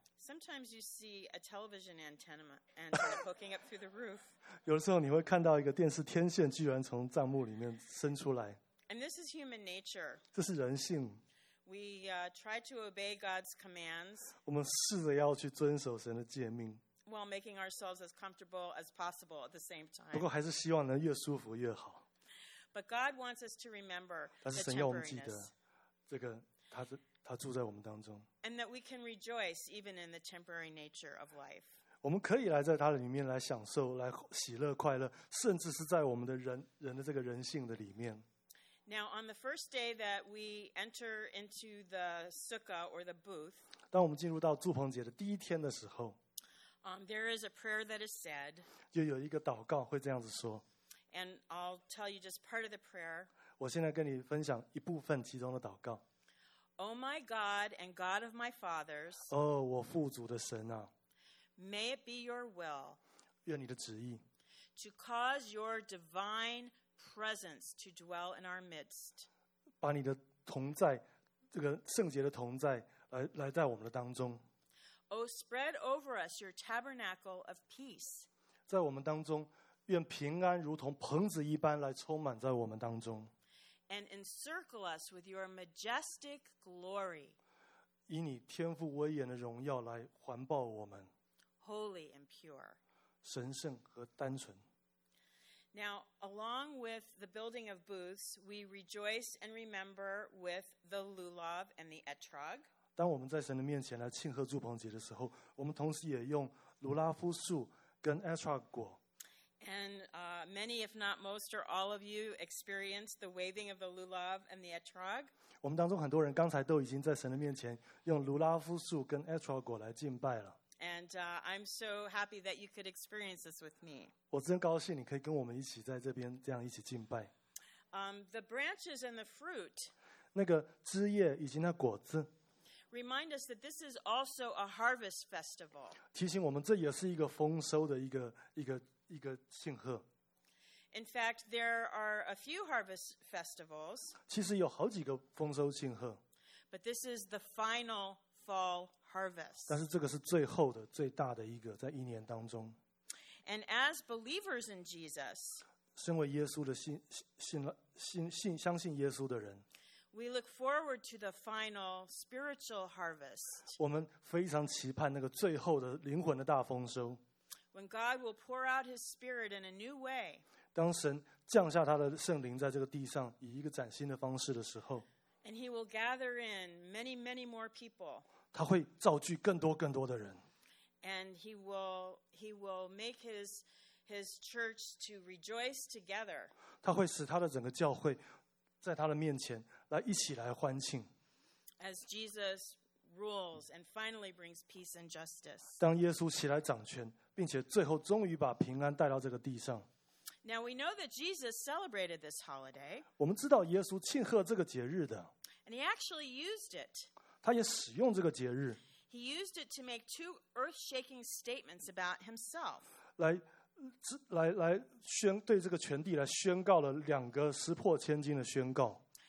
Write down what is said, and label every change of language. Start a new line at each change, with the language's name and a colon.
English: Sometimes you see a television antenna poking up through the roof.
Chinese: 有的时候你会看到一个电视天线居然从帐幕里面伸出来。
English: And this is human nature.
Chinese: 这是人性。
English: We try to obey God's commands.
Chinese: 我们试着要去遵守神的诫命。
English: While making ourselves as comfortable as possible at the same time.
Chinese: 不过还是希望能越舒服越好。
English: But God wants us to remember the temporariness.
Chinese: 但是神要我们记得，这个他住在我们当中。
English: And that we can rejoice even in the temporary nature of life.
Chinese: 我们可以来在他的里面来享受，来喜乐快乐，甚至是在我们的人的这个人性的里面。
English: Now, on the first day that we enter into the sukkah or the booth,
Chinese: 当我们进入到住棚节的第一天的时候,
English: there is a prayer that is said,
Chinese: 就有一个祷告会这样子说,
English: and I'll tell you just part of the prayer.
Chinese: 我现在跟你分享一部分其中的祷告。
English: Oh my God and God of my fathers,
Chinese: 哦，我父祖的神啊,
English: may it be your will,
Chinese: 愿你的旨意,
English: to cause your divine presence to dwell in our midst.
Chinese: 把你的同在，这个圣洁的同在，来在我们的当中。
English: Oh, spread over us your tabernacle of peace.
Chinese: 在我们当中，愿平安如同棚子一般来充满在我们当中。
English: And encircle us with your majestic glory.
Chinese: 以你天父威严的荣耀来环抱我们。
English: Holy and pure.
Chinese: 神圣和单纯。
English: Now, along with the building of booths, we rejoice and remember with the lulav and the etrog.
Chinese: 当我们在神的面前来庆贺祝棚节的时候，我们同时也用卢拉夫树跟 etrog 果。
English: And many, if not most, or all of you experienced the waving of the lulav and the etrog.
Chinese: 我们当中很多人刚才都已经在神的面前用卢拉夫树跟 etrog 果来敬拜了。
English: And I'm so happy that you could experience this with me.
Chinese: 我真高兴你可以跟我们一起在这边这样一起敬拜。
English: The branches and the fruit.
Chinese: 那个枝叶以及那果子。
English: Remind us that this is also a harvest festival.
Chinese: 提醒我们这也是一个丰收的一个庆贺。
English: In fact, there are a few harvest festivals.
Chinese: 其实有好几个丰收庆贺。
English: But this is the final fall harvest.
Chinese: 但是这个是最后的最大的一个在一年当中。
English: And as believers in Jesus,
Chinese: 身为耶稣的相信耶稣的人,
English: we look forward to the final spiritual harvest.
Chinese: 我们非常期盼那个最后的灵魂的大丰收。
English: When God will pour out his spirit in a new way.
Chinese: 当神降下他的圣灵在这个地上以一个崭新的方式的时候,
English: and he will gather in many, many more people.
Chinese: 他会召聚更多更多的人。
English: And he will make his church to rejoice together.
Chinese: 他会使他的整个教会在他的面前来一起来欢庆。
English: As Jesus rules and finally brings peace and justice.
Chinese: 当耶稣起来掌权，并且最后终于把平安带到这个地上。
English: Now we know that Jesus celebrated this holiday.
Chinese: 我们知道耶稣庆贺这个节日的。
English: And he actually used it.
Chinese: 他也使用这个节日。
English: He used it to make two earth-shaking statements about himself.
Chinese: 来宣对这个全地来宣告了两个石破千斤的宣告。